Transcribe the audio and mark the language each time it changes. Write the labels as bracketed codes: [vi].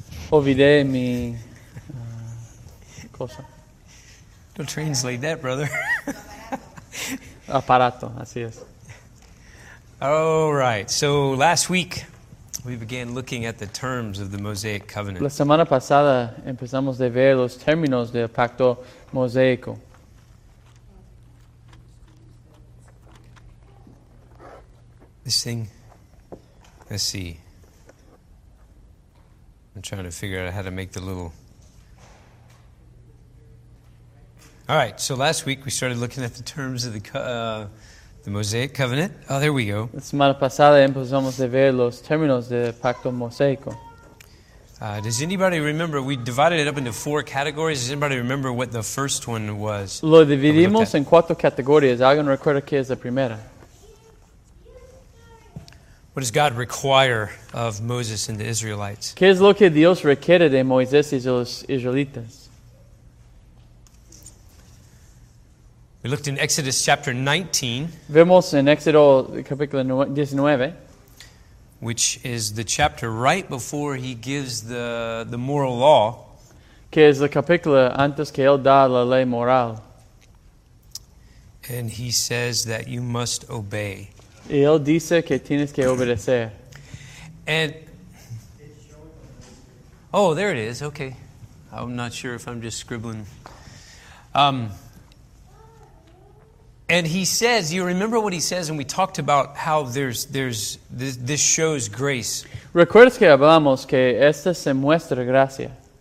[es] Olvidé mi cosa. [en] Don't translate that, brother. [es] Aparato, así es. [en] All right. So last week we began looking at the terms of the Mosaic Covenant. [es] La semana pasada empezamos de ver los términos del pacto mosaico. [en] This thing. Let's see. I'm trying to figure out how to make the little. All right, so last week we started looking at the terms of the Mosaic Covenant. Oh, there we go. [es] La semana pasada empezamos a ver los términos del pacto mosaico. [en] Does anybody remember? We divided it up into four categories. Does anybody remember what the first one was? [es] Lo dividimos en cuatro categorías. ¿Alguien recuerda qué es la primera? [en] What does God require of Moses and the Israelites? [es] ¿Qué es lo que Dios requiere de Moisés y los israelitas? [en] We looked in Exodus chapter 19. [es] Vemos en Éxodo capítulo 19. [en] Which is the chapter right before he gives the moral law. [es] Que es el capítulo antes que él da la ley moral. [en] And he says that you must obey. [es] Y él dice que tienes que obedecer. [en] And, oh, there it is. Okay. I'm not sure if I'm just scribbling. And he says, you remember what he says, and we talked about how this shows grace. [es] ¿Recuerdas que hablamos que esta se muestra gracia?